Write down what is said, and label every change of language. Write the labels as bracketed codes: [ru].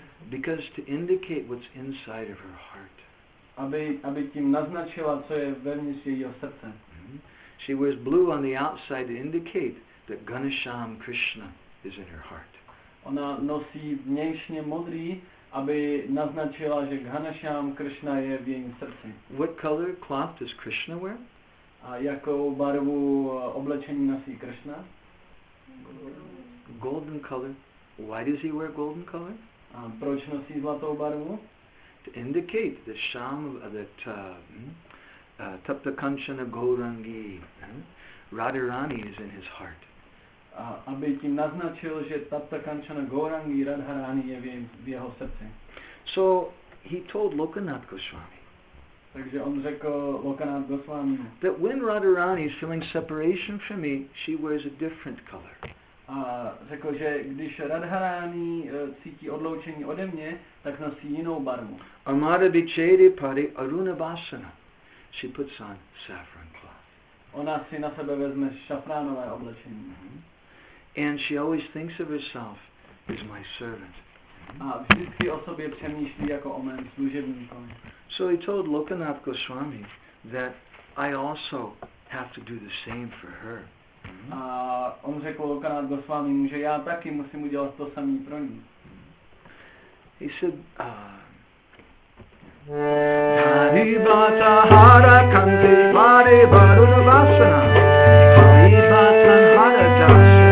[en] Because to indicate what's inside of her heart. [cs] Aby tím naznačila, co je vevnitř jejího srdce. [en] She wears blue on the outside to indicate that Ghanashyam Krishna is in her heart. [cs] Ona nosí vnějšně modrý, aby naznačila, že Ghanashyam Krishna je v jejím srdci. [en] What color cloth does Krishna wear? [cs] A jakou barvu oblečení nosí Krishna? [en] Golden color. Why does he wear golden color? [cs] A proč nosí zlatou barvu? [en] To indicate the sham that Tapta Kanchana Gaurangi. Radharani is in his heart. [cs] Aby tím naznačil, že Tapta Kanchana Gaurangi Radharani je v jeho srdci. [en] So he told Lokanath Goswami. [cs] Takže on řekl Lokanath Goswami. [en] That when Radharani is feeling separation from me, she wears a different color. [cs] řekl, že když Radharani cítí odloučení ode mě, tak nosí jinou barvu. [sa] Amara bichedi pari arunavasana. [en] She puts on saffron cloth. [cs] Ona si na sebe vezme šafránové oblečení. [en] And she always thinks of herself as my servant. [cs] A vždycky o sobě přemýšlí jako o mém služebníkovi. [en] So he told Lokanath Goswami that I also have to do the same for her. [cs] A on řekl Lokanath Goswami, že já taky musím udělat to samé pro ní. He said, Haribata hara kanti mare varuna vasana Haribata hara